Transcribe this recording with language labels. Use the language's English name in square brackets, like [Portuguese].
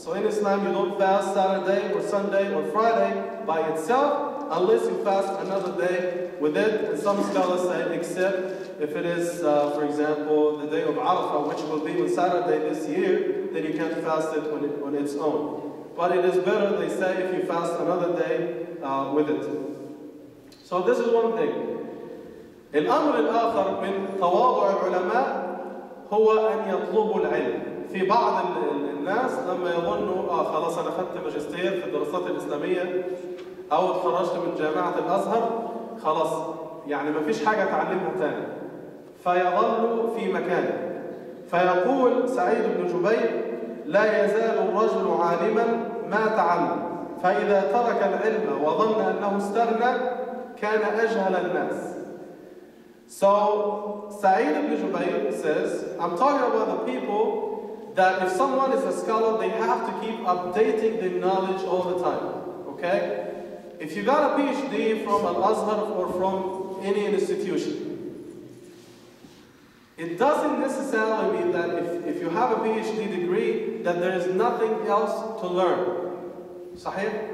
[English] So in Islam, you don't fast Saturday or Sunday or Friday by itself unless you fast another day with it. And some scholars say, except if it is, for example, the day of Arafah, which will be on Saturday this year, then you can't fast it on its own. But it is better, they say, if you fast another day with it. So this is one thing. [Arabic] الأمر الآخر من تواضع العلماء هو أن يطلبوا العلم. في بعض الناس لما يظنوا خلاص انا اخذت ماجستير في الدراسات الاسلاميه او اتخرجت من جامعه الازهر خلاص يعني ما فيش حاجه اتعلمها تاني، فيظل في مكانه. فيقول سعيد بن جبير لا يزال الرجل عالما ما تعلم، فاذا ترك العلم وظن انه استغنى كان اجهل الناس. [English] So Said ibn Jubayr says I'm talking about the people that if someone is a scholar, they have to keep updating their knowledge all the time, okay? If you got a PhD from Al-Azhar or from any institution, it doesn't necessarily mean that if you have a PhD degree, that there is nothing else to learn. Sahih?